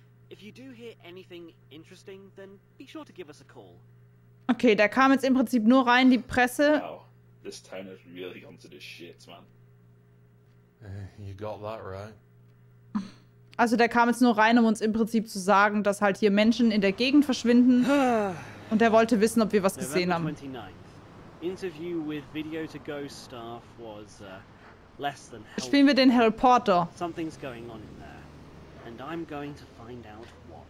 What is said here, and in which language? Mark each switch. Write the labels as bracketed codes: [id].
[en] If you do hear anything interesting, then be sure to give us a call. [de] Okay, da kam jetzt im Prinzip nur rein die Presse. [en] This town is really onto the shit, man. You got that right. [de] Also, der kam jetzt nur rein, um uns im Prinzip zu sagen, dass halt hier Menschen in der Gegend verschwinden. Und er wollte wissen, ob wir was gesehen haben. [en] Interview with Video to Go staff was less than [de] helpful. Spielen wir den Harry Potter. [en] Something's going on in there, and I'm going to find out what.